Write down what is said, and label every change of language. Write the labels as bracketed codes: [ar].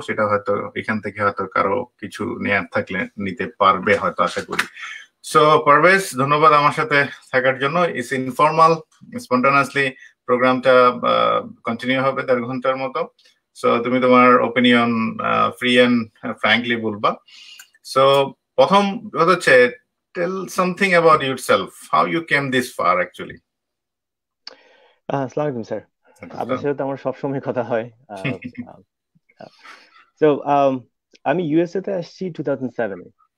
[bn] সেটা হয়তো এখান থেকে হয়তো কারো কিছু নেয়ার থাকলে নিতে পারবে হয়তো, আশা করি। So, Parvez, ধন্যবাদ আমার সাথে থাকার জন্য। [en] It's informal, spontaneously, [bn] প্রোগ্রামটা কন্টিনিউ হবে 1.5 ঘন্টার মতো। So, তুমি তোমার ওপিনিয়ন [en] free and frankly [bn] বলবা। [en] So, [bn] প্রথম কথা হচ্ছে, [en] tell something about yourself. How you came this far, actually? [bn] আসসালামু আলাইকুম স্যার, আপনার সাথে তো আমার সবসময় কথা হয়। So, আমি USA তে আসছি 2007-এ।